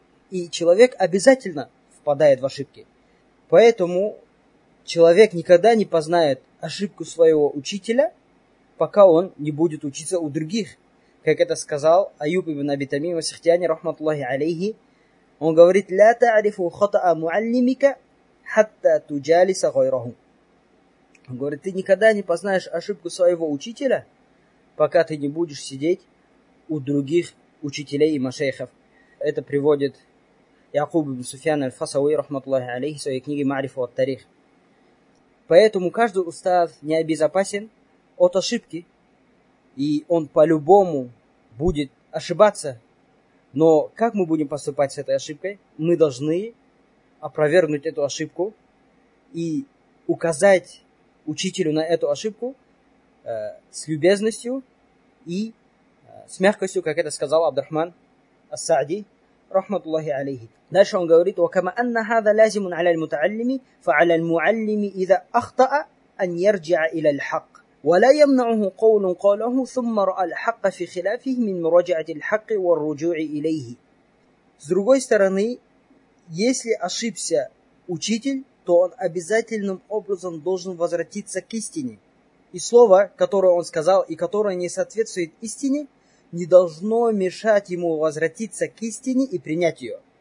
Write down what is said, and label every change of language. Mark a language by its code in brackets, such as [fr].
[ru] И человек обязательно впадает в ошибки. Поэтому человек никогда не познает ошибку своего учителя, пока он не будет учиться у других. Как это сказал Аюб ибн Аби Тамим ас-Сихтияни, рахматуллахи алейхи. Он говорит, [ar] لا تعرف خطأ معلمك حتى تجالس غيره. [ru] Он говорит, ты никогда не познаешь ошибку своего учителя, пока ты не будешь сидеть у других учителей и машейхов. Это приводит Якуб ибн Суфьян аль-Фасави, рахматуллахи алейхи, в своей книге «Ма'рифа ат-Тарих». Поэтому каждый устав не обезопасен от ошибки, и он по-любому будет ошибаться. Но как мы будем поступать с этой ошибкой? Мы должны опровергнуть эту ошибку и указать учителю на эту ошибку с любезностью и с мягкостью, как это сказал Абдурахман Ас-Саади, рахматуллахи алейхи. Дальше он говорит, [ar] وَكَمَا أَنَّ هَذَا لَازِمٌ عَلَى الْمُتَعَلِّمِ فَعَلَى الْمُعَلِّمِ إِذَا أَخْطَأَ أَنْ يَرْجِعَ إِلَى الْحَقِّ وَلَا يَمْنَعُهُ قَوْلٌ قَوْلَهُ ثُمَّ رَأَ الْحَقَّ فِي خِلَافِهِ مِنْ مُرَجَعَةِ الْحَقِّ وَالرُّجُوعِ إِلَيْهِ. [ru] С другой стороны, если ошибся учитель, то он обязательным образом должен возвратиться к истине. И слово, которое он сказал и которое не соответствует истине, не должно мешать ему возвратиться к истине и принять ее.